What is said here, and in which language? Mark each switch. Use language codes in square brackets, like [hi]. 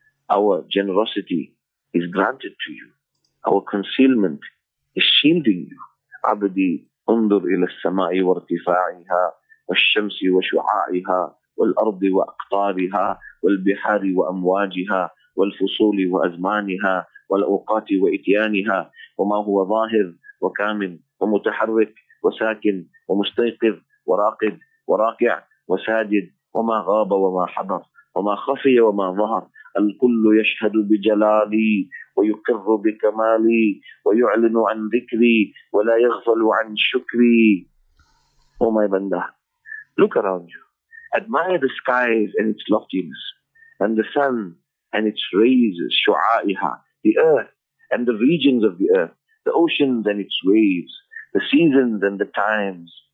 [en] Our generosity is granted to you. Our concealment is shielding you. [ar] عَبْدِي أُنْظُرْ إِلَى السَّمَاءِ وَارْتِفَاعِهَا وَالشَّمْسِ وَشُعَاعِهَا وَالْأَرْضِ وَأَقْطَارِهَا وَالْبِحَارِ وَأَمْوَاجِهَا وَالْفُصُولِ وَأَزْمَانِهَا والأوقات وإتيانها وما هو ظاهر وكامن ومتحرك وساكن ومستيقظ وراقد وراكع وساجد وما غاب وما حضر وما خفي وما ظهر الكل يشهد بجلالي ويقر بكمالي ويعلن عن ذكري ولا يغفل عن شكري. [en] Oh my banda, look around you, admire the skies and its loftiness and the sun and its rays, شعائها, the earth and the regions of the earth, the oceans and its waves, the seasons and the times.